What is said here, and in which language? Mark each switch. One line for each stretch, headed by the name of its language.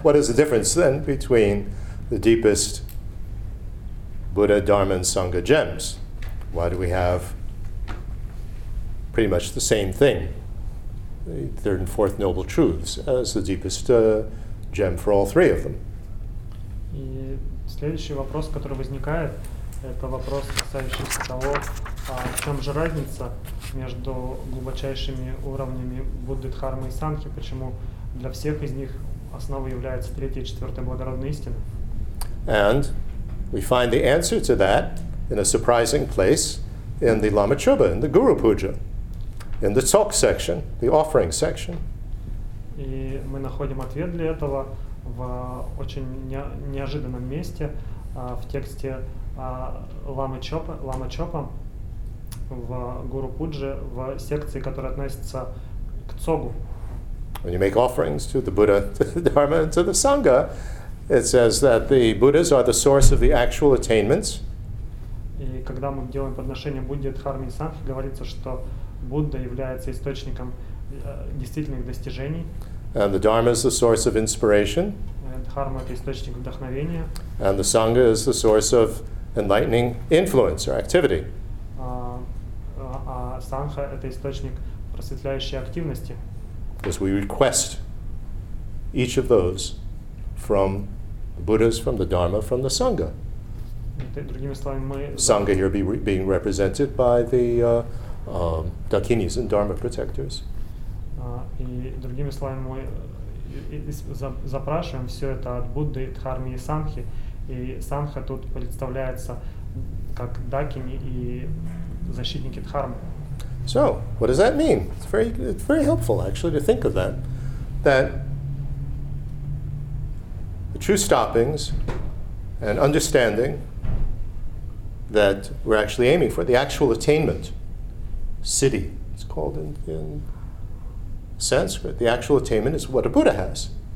English: What is the difference then between the deepest Buddha, Dharma, and Sangha gems? Why do we have pretty much the same thing, the third and fourth noble truths, as the deepest gem for all three of them?
Russian: И следующий вопрос, который возникает, это вопрос, касающийся того, в чем же разница между глубочайшими уровнями Будды, Дхармы и Сангхи, почему для всех из них основой является третья и четвертая благородная истина.
English: And we find the answer to that in a surprising place in the Lama Choba, in the Guru Puja, in the talk section, the offering section.
Russian: И мы находим ответ для этого в очень неожиданном месте, в тексте Лама Чопа, в Гуру Пудже, в секции, которая относится к Цогу.
English: When you make offerings to the Buddha, to the Dharma, and to the Sangha, it says that the Buddhas are the source of the actual attainments.
Russian: И когда мы делаем подношение Будде, Дхарме и Сангхе, говорится, что Будда является источником действительных достижений.
English: And the Dharma is the source of inspiration.
Russian: Дхарма – это источник вдохновения.
English: And the Sangha is the source of enlightening influence or activity.
Russian: А Сангха – это источник просветляющей активности.
English: Because we request each of those from the Buddhas, from the Dharma, from the Sangha.
Russian: Другими словами, мы...
English: Sangha here being represented by the Dakinis and Dharma protectors.
Russian: И другими словами, мы запрашиваем все это от Будды, Дхармы и Сангхи. И Сангха тут представляется как Дакини и защитники Дхармы.
English: So, what does that mean? It's very helpful, actually, to think of that. That the true stoppings and understanding that we're actually aiming for, the actual attainment, siddhi, it's called in Sanskrit, the actual attainment is what a Buddha has.